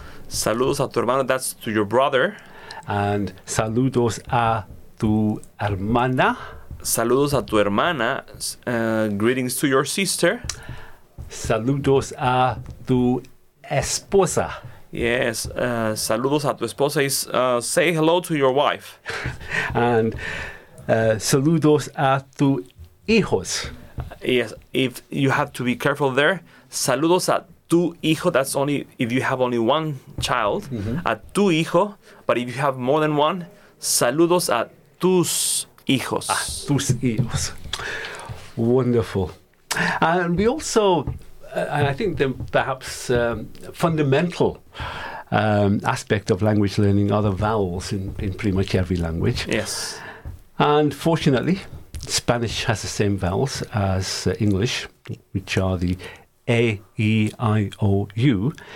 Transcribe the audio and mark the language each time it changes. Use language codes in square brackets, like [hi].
[es] Saludos a tu hermano, [en] that's to your brother. [es] And saludos a tu hermana. Saludos a tu hermana. [en] Greetings to your sister. [es] Saludos a tu esposa. [en] Yes, [es] saludos a tu esposa [en] is say hello to your wife. [es] And saludos a tu hijos. [en] Yes, if you have to be careful there, [es] saludos a tu hijo, [en] that's only if you have only one child, mm-hmm. [es] a tu hijo, [en] but if you have more than one, [es] saludos a tus hijos. A tus hijos. [en] Wonderful. And we also, and I think the perhaps fundamental aspect of language learning are the vowels in pretty much every language. Yes. And fortunately, Spanish has the same vowels as English, which are the A, E, I, O, U.